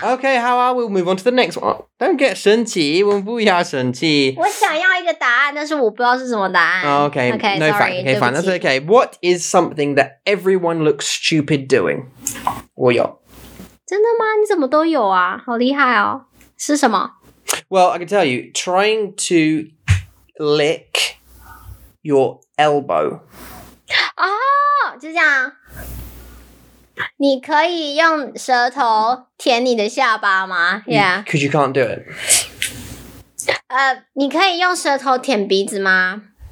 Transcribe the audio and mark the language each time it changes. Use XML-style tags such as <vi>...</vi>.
<en>Okay, how are we? We'll move on to the next one Don't get</en> <zh>生气 我们不要生气我想要一个答案 但是我不知道是什么答案</zh> <en>oh, okay. okay, no sorry, fact Okay, fine, that's okay What is something that everyone looks stupid doing?</en> <zh>我有真的吗? 你怎么都有啊 好厉害哦是什么?</zh> <en>Well, I can tell you, trying to lick your elbow.</en> <zh>哦,就这样。你可以用舌头舔你的下巴吗?</zh> <en>Yeah. Because you can't do it.</en> <zh>你可以用舌头舔鼻子吗?</zh>